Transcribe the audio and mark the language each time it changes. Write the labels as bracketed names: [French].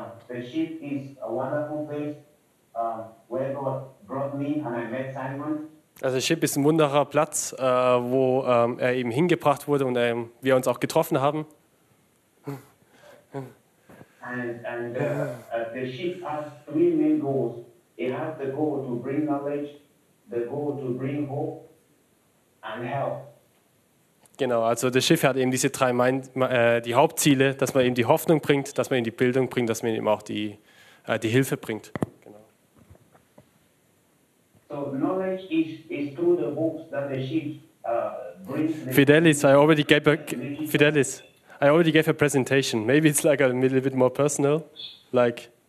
[English] The ship is a wonderful place where God brought me and I met Simon. [German] Also, Ship ist ein wunderbarer Platz, wo er eben hingebracht wurde und wir uns auch getroffen haben. [English] And the ship has three main goals. It has the goal to bring knowledge, the goal to bring hope and help. [German] Genau, also das Schiff hat eben diese drei die Hauptziele, dass man eben die Hoffnung bringt, dass man eben die Bildung bringt, dass man eben auch die Hilfe bringt. Genau. [English] So knowledge is through the books that the ship brings. Fidelis, I already gave a presentation. Maybe it's like a little bit more personal, like.